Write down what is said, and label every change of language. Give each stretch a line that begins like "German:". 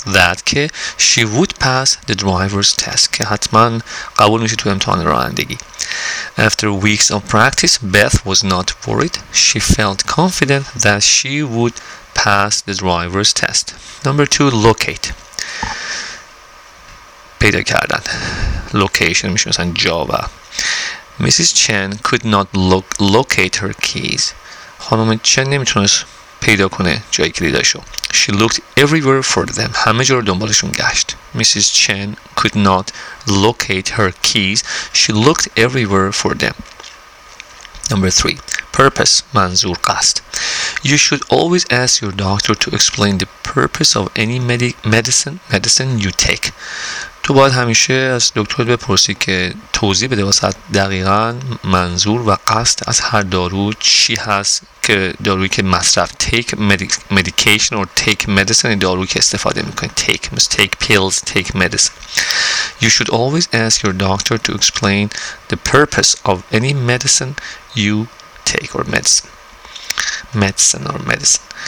English: That
Persian: که
English: she would pass the driver's test.
Persian: که حتما قبول میشه تو امتحان رانندگی.
English: After weeks of practice, Beth was not worried. She felt confident that she would pass the driver's test. Number 2, locate.
Persian: پیدا کردن. Location میشه مثلا جا. و Mrs.
English: Chen could not locate her keys.
Persian: خانم چن نمیتونست پیدا کنه جای کلیداشو.
English: She looked everywhere for them.
Persian: همه جا رو دنبالشون گشت.
English: Mrs. Chen could not locate her keys. She looked everywhere for them. Number 3. Purpose.
Persian: منظور، قصد.
English: You should always ask your doctor to explain the purpose of any medicine you take.
Persian: تو باید همیشه از دکتر بپرسی که توضیح بده واسه دقیقاً منظور و قصد از هر دارو چی هست که دارویی که مصرف
English: take medication or take medicine
Persian: دارویی که استفاده میکنی
English: take pills take medicine. You should always ask your doctor to explain the purpose of any medicine you take or medicine.